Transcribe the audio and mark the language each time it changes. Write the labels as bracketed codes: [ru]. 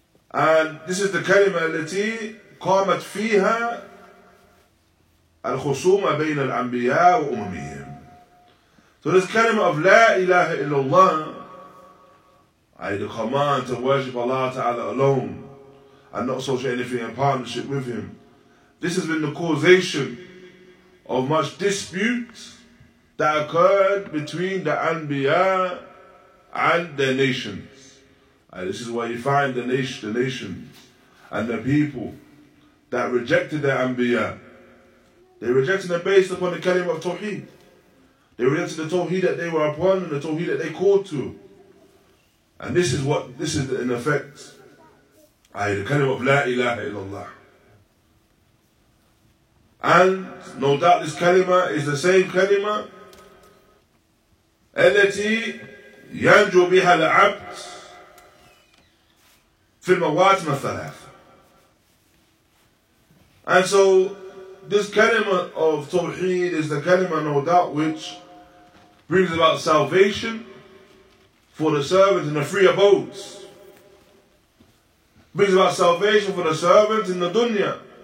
[en] And this is the kalima [ar] التي قامت فيها الخصومة بين الأنبياء وأممهم. [en] So this kalima of La ilaha illallah, I the command to worship Allah Ta'ala alone and not associate anything in partnership with Him, this has been the causation of much dispute that occurred between the Anbiya and their nations. And this is why you find the nations and the people that rejected their Anbiya. They rejected them based upon the kalima of Tawheed. They rejected the Tawheed that they were upon and the Tawheed that they called to. And this is in effect, the kalima of La ilaha illallah. And no doubt this kalima is the same kalima [ar] التي ينجو بها العبد في المواتم الثلاثة. [en] And so this kalima of Tawheed is the kalima, no doubt, which brings about salvation for the servant in the three abodes. Brings about salvation for the servant in the dunya.